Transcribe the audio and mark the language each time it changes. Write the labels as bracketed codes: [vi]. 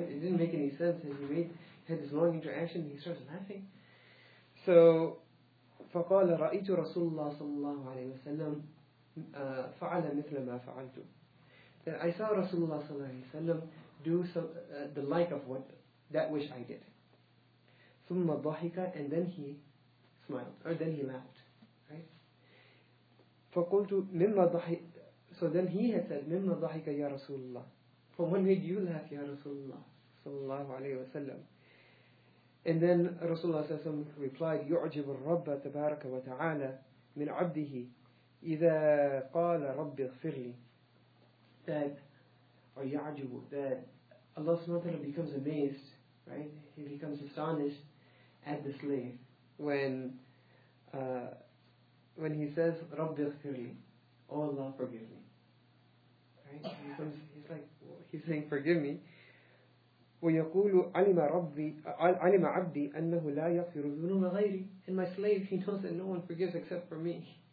[en] It didn't make any sense. And he had this long interaction and he starts laughing. So, [ar] فَقَالَ رَأِيْتُ رَسُولَ اللَّهِ صَلَّى اللَّهُ عَلَيْهِ وَسَلَّمُ فَعَلَ مِثْلَ مَا فَعَلْتُ [en] That I saw Rasulullah صلى الله عليه وسلم do the like of what that wish I did. [ar] ثُمَّ ضَحِكَ [en] And then he smiled. Or then he laughed. Right? [ar] فَقُلْتُ مِمَّا ضَحِكَ [en] So then he had said, [ar] مِمَّا ضَحِكَ يَا رَسُولَ اللَّهِ [en] From what made you laugh, Ya Rasulullah, صلى الله عليه وسلم. And then Rasulullah صلى الله عليه وسلم replied, [ar] يُعْجِبُ الرَّبَّ تَبَارَكَ وَتَعَالَى مِنْ عَبْدِهِ إِذَا قَالَ رَبِّ اغْفِرْ لِي [en] That, or يَعْجِبُ That Allah subhanahu wa ta'ala becomes amazed, right? He becomes astonished at the slave when he says, [ar] رَبِّ اغْفِرْ لِي [en] Oh Allah, forgive me. Right? He's saying, forgive me. [ar] وَيَقُولُ عَلِمَ عَبْدِي أَنَّهُ لَا يَغْفِرُ ذُنُوبَ غَيْرِي [en] And my slave, he knows that no one forgives except for me.